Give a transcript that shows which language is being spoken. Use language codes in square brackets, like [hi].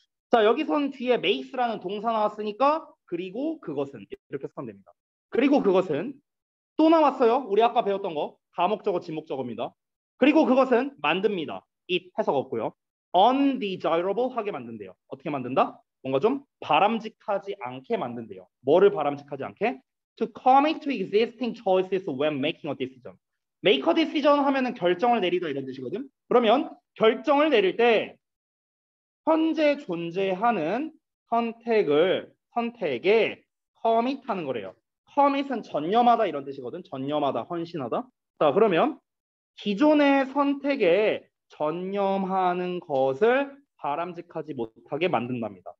[ko] 자, 여기선 뒤에 makes라는 동사 나왔으니까 그리고 그것은 이렇게 해석하면 됩니다. 그리고 그것은 또 나왔어요. 우리 아까 배웠던 거. 다목적어, 진목적어입니다. 그리고 그것은 만듭니다. it 해석 없고요. undesirable 하게 만든대요. 어떻게 만든다? 뭔가 좀 바람직하지 않게 만든대요. 뭐를 바람직하지 않게? [en] to commit to existing choices when making a decision. Make a decision [ko] 하면은 결정을 내리다 이런 뜻이거든. 그러면 결정을 내릴 때 현재 존재하는 선택을 선택에 commit 하는 거래요. commit은 전념하다 이런 뜻이거든. 전념하다, 헌신하다. 자, 그러면 기존의 선택에 전념하는 것을 바람직하지 못하게 만든답니다.